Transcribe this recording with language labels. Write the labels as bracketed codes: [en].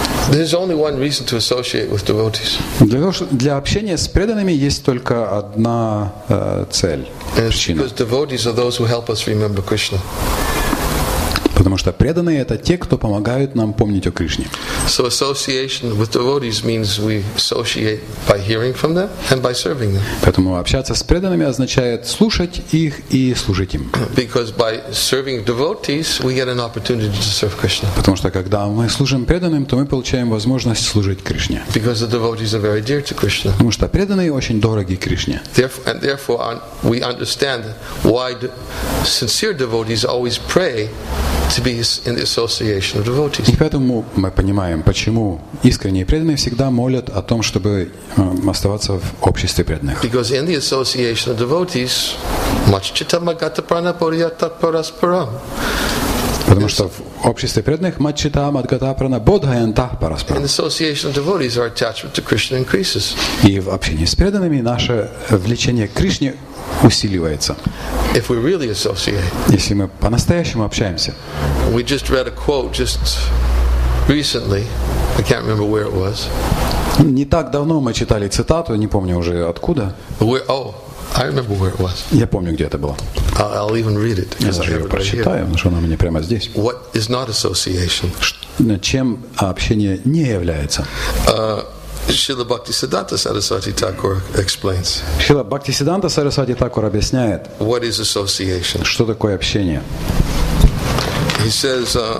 [en] There's only one reason to associate with devotees. [ru] Для общения с преданными есть только одна цель. Причина. [en] Because devotees are those who help us remember Krishna. [ru] Потому что преданные это те, кто помогают нам помнить о Кришне. [en] So association with devotees means we associate by hearing from them and by serving them. [ru] Поэтому общаться с преданными означает слушать их и служить им. [en] Because by serving devotees we get an opportunity to serve Krishna. [ru] Потому что когда мы служим преданным, то мы получаем возможность служить Кришне. [en] Because the devotees are very dear to Krishna. [ru] Потому что преданные очень дороги Кришне. [en] Therefore we understand why sincere devotees always pray to be in the association of devotees. [ru] И поэтому мы понимаем, почему искренние преданные всегда молят о том, чтобы оставаться в обществе преданных. [en] Because in the association of devotees, much [sa] chitamagata pranapuriyata parasparam. [ru] Потому что в обществе преданных [sa] матчита матгата прана бодхаянта параспара. [en] In association of devotees, our attachment to Krishna increases. [ru] И в общении с преданными наше влечение к Кришне усиливается. [en] If we really associate. [ru] Если мы по-настоящему общаемся. [en] We just read a quote just recently. I can't remember where it was. [ru] Не так давно мы читали цитату, не помню уже откуда. [en] I remember where it was. [ru] Я помню, где это было. [en] I'll even read it. [ru] Я даже ее прочитаю, потому что она у меня прямо здесь. [en] What is not association? [ru] Чем общение не является? [en] Srila Bhaktisiddhanta Sarasvati Thakur explains. [ru] Srila Bhaktisiddhanta Sarasvati Thakur объясняет. [en] What is association? [ru] Что такое общение? [en] He says.